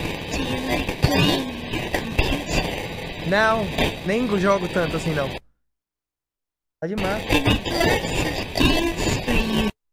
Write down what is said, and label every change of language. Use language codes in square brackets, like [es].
[pt] Do you like playing your computer? Não, nem jogo tanto assim não. Tá demais. [en] I make lots of games for you.